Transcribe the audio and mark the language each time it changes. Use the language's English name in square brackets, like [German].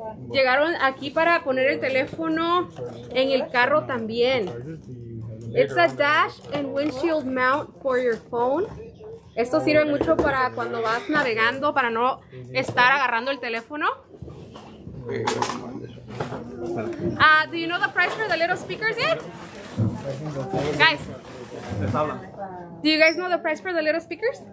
[Spanish] Llegaron aquí para poner el teléfono en el carro también. [English] It's a dash and windshield mount for your phone. [Spanish] Esto sirve mucho para cuando vas navegando, para no estar agarrando el teléfono. [English] Do you know the price for the little speakers yet? Guys. Do you guys know the price for the little speakers?